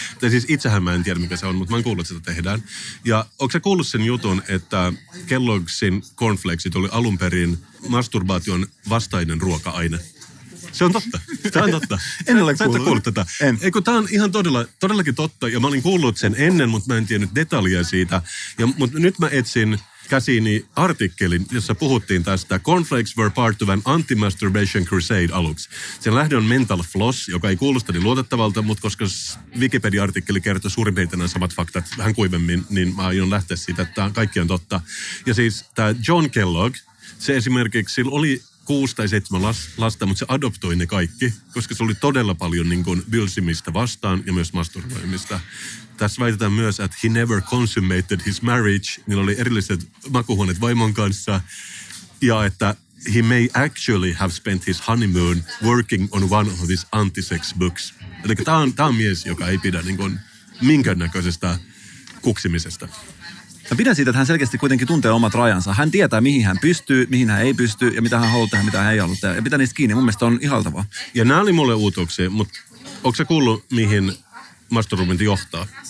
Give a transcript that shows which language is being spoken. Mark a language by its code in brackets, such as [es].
[fi] Tai siis itsehän mä en tiedä, mikä se on, mutta mä oon kuullut, että sitä tehdään. Ja ootko sä kuullut sen jutun, että Kelloggsin cornflakesit oli alun perin masturbaation vastainen ruoka-aine? Se on totta. Tämä on totta. En ole kuullut. Sä et kuullut tätä. En. Eikö, tämä on ihan todellakin totta. Ja mä olin kuullut sen ennen, mutta mä en tiennyt detaljia siitä. Mutta nyt mä etsin käsiini artikkelin, jossa puhuttiin tästä. [en] Cornflakes were part of an anti-masturbation crusade [fi] aluksi. Sen lähde on Mental Floss, joka ei kuulosta niin luotettavalta, mutta koska Wikipedia-artikkeli kertoi suurin piirtein nämä samat faktat vähän kuivemmin, niin mä aion lähteä siitä, että kaikki on totta. Ja siis tämä John Kellogg, se esimerkiksi sillä oli 6 tai 7 lasta, mutta se adoptoi ne kaikki, koska se oli todella paljon niin kuin bylsimistä vastaan ja myös masturboimista. Tässä väitetään myös, että [en] he never consummated his marriage. [fi] Niillä oli erilliset makuhuoneet vaimon kanssa. Ja että [en] he may actually have spent his honeymoon working on one of his anti-sex books. [fi] Eli tämä on mies, joka ei pidä niin kuin minkäännäköisestä kuksimisesta. Mä pidän siitä, että hän selkeästi kuitenkin tuntee omat rajansa. Hän tietää, mihin hän pystyy, mihin hän ei pysty ja mitä hän haluaa tehdä, mitä hän ei halua tehdä. Ja pitää niistä kiinni. Mun mielestä on ihaltavaa. Ja nämä oli mulle uutuuksia, mutta onko sä kuullut, mihin masturbointi johtaa?